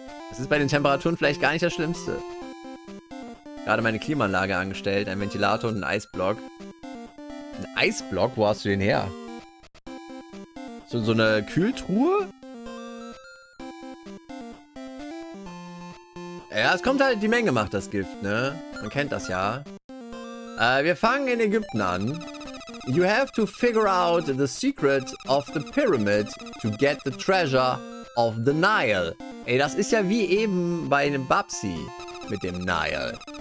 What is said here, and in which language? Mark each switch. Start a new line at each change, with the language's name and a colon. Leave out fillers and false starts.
German: Das ist bei den Temperaturen vielleicht gar nicht das Schlimmste. Gerade meine Klimaanlage angestellt, ein Ventilator und ein Eisblock. Ein Eisblock? Wo hast du den her? So eine Kühltruhe? Ja, es kommt halt, die Menge macht das Gift, ne? Man kennt das ja. Wir fangen in Ägypten an.
English: You have to figure out the secret of the pyramid to get the treasure of the Nile.
German: Ey, das ist ja wie eben bei einem Babsi mit dem Nile.